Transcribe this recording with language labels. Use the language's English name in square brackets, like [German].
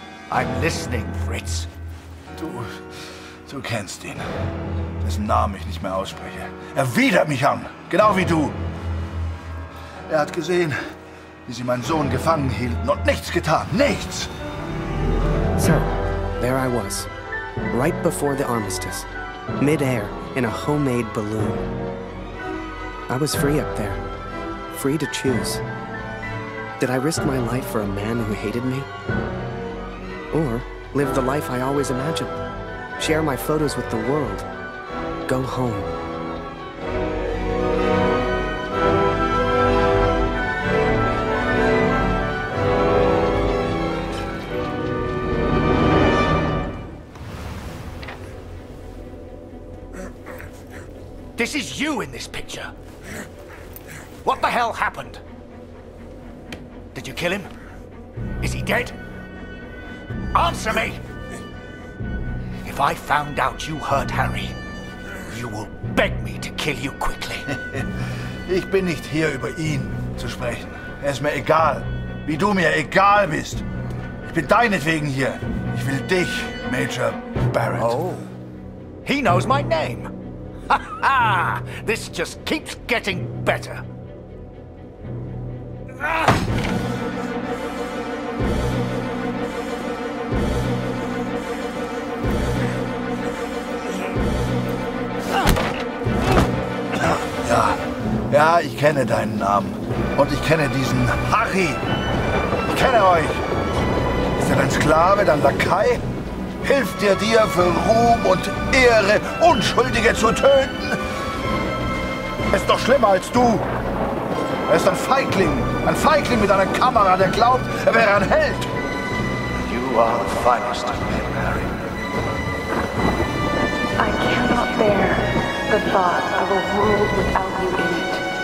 [English] I'm listening, Fritz. [German] Du kennst ihn. Dessen Namen ich nicht mehr ausspreche. Widert mich an, genau wie du. Hat gesehen, wie sie meinen Sohn gefangen hielten und nichts getan, nichts! [English] So, there I was, right before the armistice, mid-air in a homemade balloon. I was free up there, free to choose. Did I risk my life for a man who hated me? Or live the life I always imagined, share my photos with the world, go home? This is you in this picture. What the hell happened? Did you kill him? Is he dead? Answer me! If I found out you hurt Harry, you will beg me to kill you quickly. [German] Ich bin nicht hier, über ihn zu sprechen. Es ist mir egal, wie du mir egal bist. Ich bin deinetwegen hier. Ich will dich, Major Barrett. [English] Oh, he knows my name. Ha ha! This just keeps getting better. [German] Ja, ja, ich kenne deinen Namen. Und ich kenne diesen Harry. Ich kenne euch. Ist er dein Sklave, dein Lakai? Hilft er dir für Ruhm und Ehre, Unschuldige zu töten? Er ist doch schlimmer als du. Er ist ein Feigling. Ein Feigling mit einer Kamera, der glaubt, er wäre ein Held. [English] You are the finest of men, Harry. I cannot bear the thought of a world without you in it.